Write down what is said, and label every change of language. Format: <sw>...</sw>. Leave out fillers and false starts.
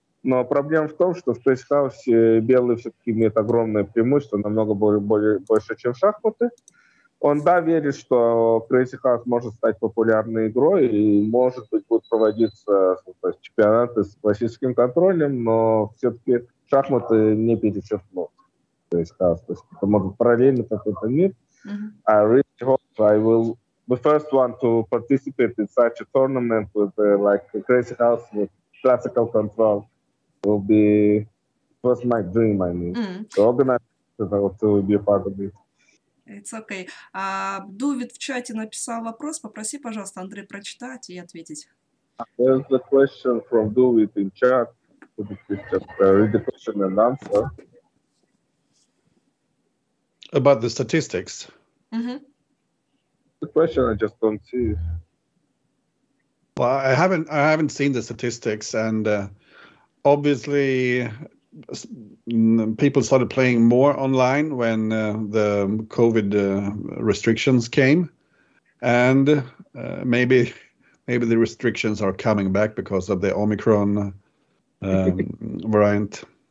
<ru>Но проблема в том, что в Crazy House белые все-таки имеют огромное преимущество, намного больше, чем шахматы. Он, да, верит, что Crazy House может стать популярной игрой и, может быть, будут проводиться чемпионаты с классическим контролем, но все-таки шахматы не перечеркнут Crazy House. То есть это может параллельно какой-то мир.</ru> <en>I really hope I will the first one to participate in such a tournament with like Crazy House with classical control will be first my dream, I mean. To organize it, to be a part of it. It's okay.</en> <ru>Дувид в чате написал вопрос. Попроси, пожалуйста, Андрей прочитать и ответить.</ru> <en>There's a question from Дувид in chat. Could you just read the question and answer? About the statistics. Mm-hmm. The question I just don't see. Well, I haven't seen the statistics, and obviously people started playing more online when the COVID restrictions came, and maybe the restrictions are coming back because of the Omicron variant.</en>